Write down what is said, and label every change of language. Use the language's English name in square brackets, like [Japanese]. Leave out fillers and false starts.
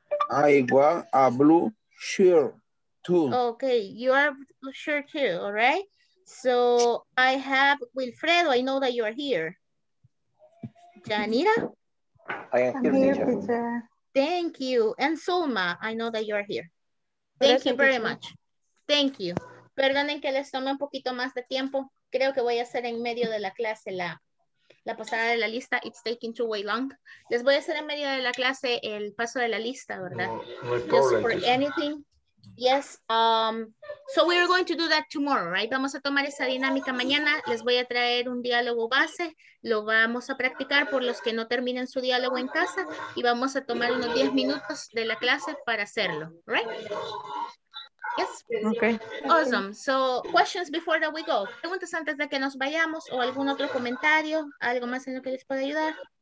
[English] I wear a blue shirt too. Okay, you are blue shirt too, all right? So I have Wilfredo, I know that you are here. Janira? I am here, teacher. Thank you. And Zulma, I know that you are here. Thank you very much. Thank you. [Spanish] Perdonen que les tome un poquito más de tiempo. Creo que voy a hacer en medio de la clase la, la pasada de la lista. [English] It's taking too way long. [Spanish] Les voy a hacer en medio de la clase el paso de la lista, ¿verdad? [English] No, just for anything. Yes. So we are going to do that tomorrow, right? [Spanish] Vamos a tomar esa dinámica mañana. Les voy a traer un diálogo base. Lo vamos a practicar por los que no terminen su diálogo en casa. Y vamos a tomar unos 10 minutos de la clase para hacerlo, [English] right? Yes. Okay. Awesome. So questions before that we go. [Spanish] Preguntas antes de que nos vayamos o algún otro comentario, algo más en lo que les pueda ayudar.